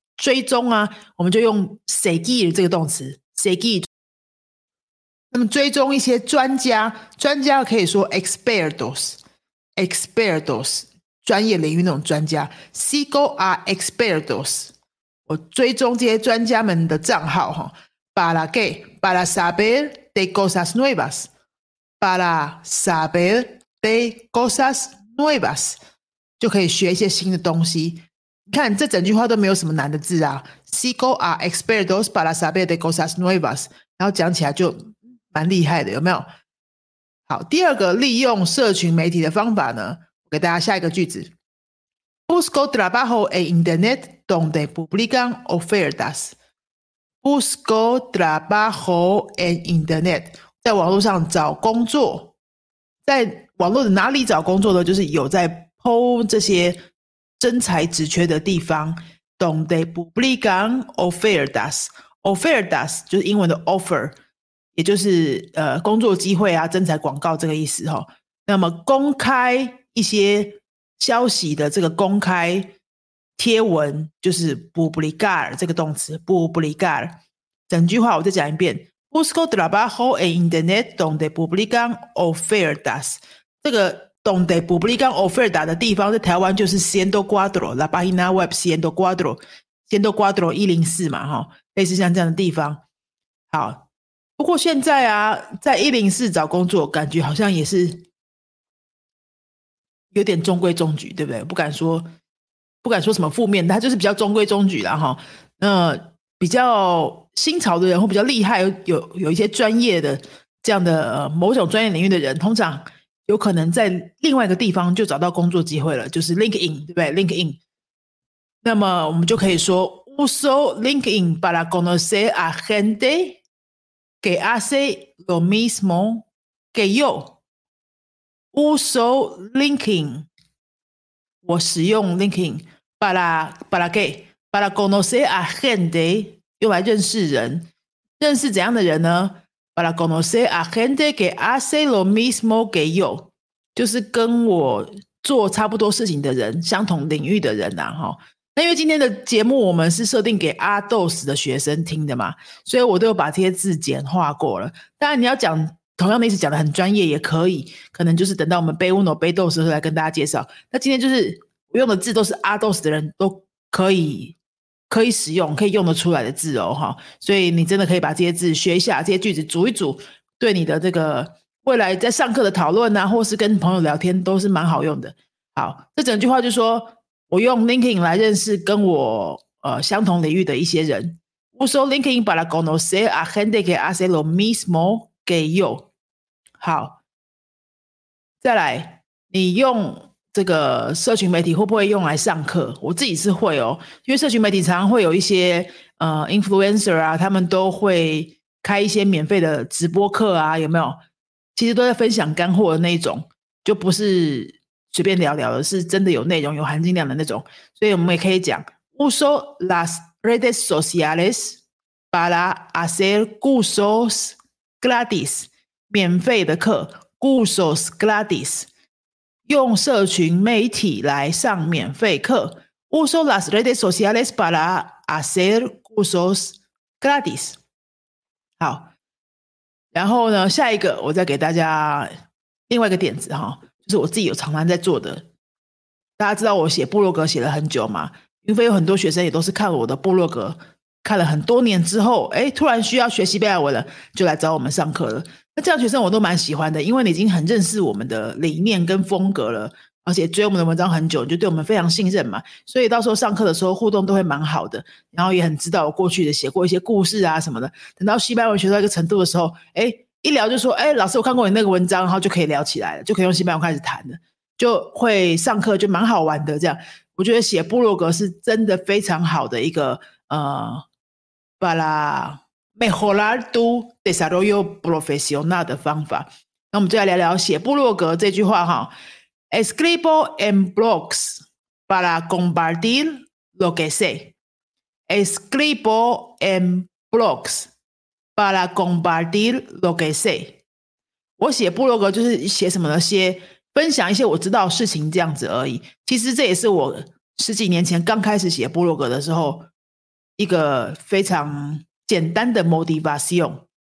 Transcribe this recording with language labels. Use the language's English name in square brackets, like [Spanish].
[Chinese] 追踪啊，我们就用 seguir 这个动词 seguir。那么追踪一些专家，专家可以说 expertos， expertos， 专业领域那种专家。 [Spanish] sigo a expertos， [Chinese] 我追踪这些专家们的账号。 [Spanish] para qué， para saber de cosas nuevas， para saber de cosas nuevas， [Chinese] 就可以学一些新的东西。看这整句话都没有什么难的字啊， [Spanish] Sigo a expertos para saber de cosas nuevas， [Chinese] 然后讲起来就蛮厉害的，有没有？好，第二个利用社群媒体的方法呢，我给大家下一个句子。 [Spanish] Busco trabajo en internet donde publican ofertas， Busco trabajo en internet， [Chinese] 在网络上找工作。在网络的哪里找工作呢？就是有在 po 这些真才职缺的地方。 [Spanish] donde publican ofertas， [Chinese] ofertas 就是英文的 offer， 也就是工作机会啊，真才广告这个意思。那么公开一些消息的这个公开贴文就是 publicar， 这个动词 publicar。整句话我再讲一遍， [Spanish] busco trabajo en internet donde publican ofertas。 [Chinese] 这个 [Spanish] donde publican oferta [Chinese] 的地方在台湾就是 Siendo Cuatro， [Spanish] la página web Siendo Cuatro， [Chinese] Siendo Cuatro 104嘛，类似像这样的地方。好，不过现在啊，在104找工作感觉好像也是有点中规中矩，对不对？不敢说什么负面，它就是比较中规中矩啦。比较新潮的人或比较厉害 有一些专业的这样的某种专业领域的人，通常有可能在另外一个地方就找到工作机会了，就是 LinkedIn， 对不对？ LinkedIn。 [Spanish] 那么我们就可以说 uso LinkedIn para conocer a gente que hace lo mismo que yo， uso LinkedIn， [Chinese] 我使用 [Spanish] LinkedIn para qué， para conocer a gente， [Chinese] 用来认识人。认识怎样的人呢？ [Spanish] Para conocer a gente que hace lo mismo que yo， [Chinese] 就是跟我做差不多事情的人，相同领域的人啊。那因为今天的节目我们是设定给阿豆斯的学生听的嘛，所以我都有把这些字简化过了。当然你要讲同样的意思讲得很专业也可以，可能就是等到我们背 uno 背 dos 的时候来跟大家介绍。那今天就是我用的字都是阿豆斯的人都可以使用可以用得出来的字哦。所以你真的可以把这些字学一下，这些句子组一组，对你的这个未来在上课的讨论啊，或是跟朋友聊天都是蛮好用的。好，这整句话就说我用 LinkedIn 来认识跟我相同领域的一些人。 [Spanish] uso LinkedIn para conocer a gente que hace lo mismo que yo. [Chinese] 好，再来，你用这个社群媒体会不会用来上课？我自己是会哦，因为社群媒体常常会有一些influencer 啊，他们都会开一些免费的直播课啊，有没有？其实都在分享干货的那一种，就不是随便聊聊的，是真的有内容、有含金量的那种。所以我们也可以讲 [Spanish] ，uso las redes sociales para hacer cursos gratis， [Chinese] 免费的课 [Spanish] ，cursos gratis， [Chinese] 用社群媒体来上免费课 [Spanish] ，uso las redes sociales para hacer cursos gratis。 [Chinese] 好，然后呢，下一个我再给大家另外一个点子哈。就是我自己有常常在做的，大家知道我写部落格写了很久嘛，因为有很多学生也都是看我的部落格看了很多年之后，哎，突然需要学西班牙文了，就来找我们上课了。那这样学生我都蛮喜欢的，因为你已经很认识我们的理念跟风格了，而且追我们的文章很久，你就对我们非常信任嘛，所以到时候上课的时候互动都会蛮好的，然后也很知道我过去的写过一些故事啊什么的，等到西班牙文学到一个程度的时候，哎，一聊就说，哎，老师，我看过你那个文章，然后就可以聊起来了，就可以用西班牙文开始谈了，就会上课就蛮好玩的。这样，我觉得写部落格是真的非常好的一个 [Spanish] para mejorar tu desarrollo profesional [Chinese] 的方法。那我们就来聊聊写部落格这句话哈 [Spanish] ，escribo en blogs para compartir lo que sé. Escribo en blogs. Para compartir lo que sé， [Chinese] 我写部落格就是写什么呢？写分享一些我知道的事情这样子而已。其实这也是我十几年前刚开始写部落格的时候一个非常简单的 motivation。